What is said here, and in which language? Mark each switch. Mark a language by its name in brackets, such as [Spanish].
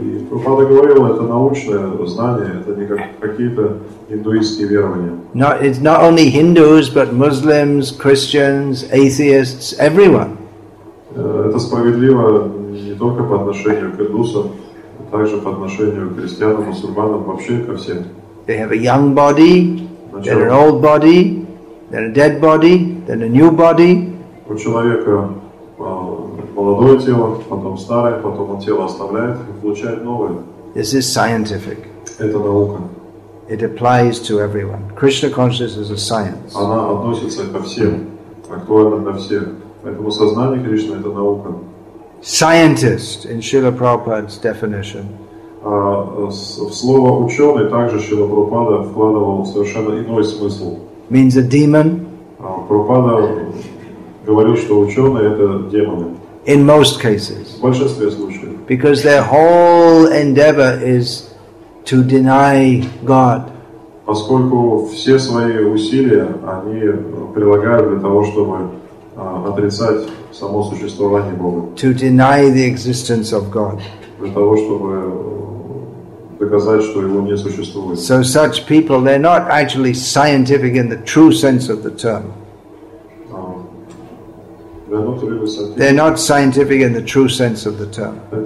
[Russian] Прабхупада говорил, это научное знание, это не какие-то индуистские верования. [English] No, it's not only Hindus, but Muslims, Christians, atheists, everyone. [Russian] Это справедливо не только по отношению к индусам, а также по отношению к христианам, мусульманам, вообще ко всем. [English] They have a young body, then an old body, then a dead body, then a new body. [Russian] У человека молодое тело, потом старое, потом он тело оставляет и получает новое. [English] This is scientific. [Russian] Это наука. [English] It applies to everyone. Krishna consciousness is a science. [Russian] Она относится ко всем, актуально для всех. Поэтому сознание Кришны — это наука. [English] Scientist, in Srila Prabhupada's definition. [Russian] В слово ученый также Srila Prabhupada вкладывал совершенно иной смысл. [English] Means a demon. [Russian] Прабхупада говорил, что ученые — это демоны. [English] In most cases. [Russian] В большинстве случаев. [English] Because their whole endeavor is to deny God. [Russian] Поскольку все свои усилия они прилагают для того, чтобы отрицать само существование Бога. [English] To deny the existence of God. [Russian] Для того, чтобы доказать, что Его не существует. [English] So such people, they're not actually scientific in the true sense of the term. They're not scientific in the true sense of the term.